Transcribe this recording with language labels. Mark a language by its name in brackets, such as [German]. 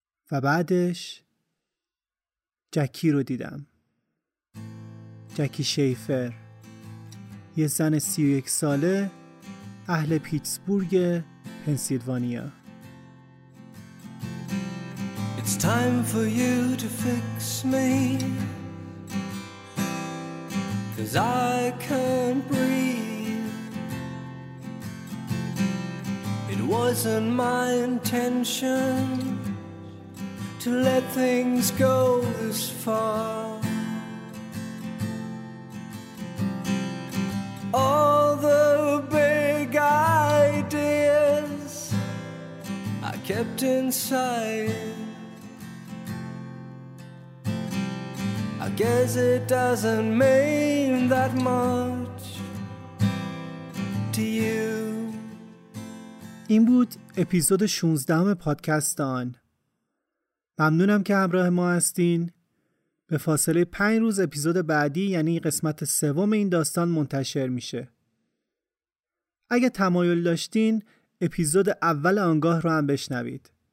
[Persian] و بعدش جکی رو دیدم. جکی شیفر، یه زن 31 ساله، اهل پیتسبورگ، پنسیلوانیا. [English] It's time for you to fix me, 'cause I can't breathe. It wasn't my intention to let things go this far. All the big ideas I kept inside. I guess it doesn't mean that much to you. [Persian] این بود اپیزود 16 پادکست آن. ممنونم که همراه ما هستین. به فاصله 5 روز اپیزود بعدی، یعنی قسمت 3 این داستان منتشر میشه. اگه تمایل داشتین اپیزود اول آنگاه رو هم بشنوید.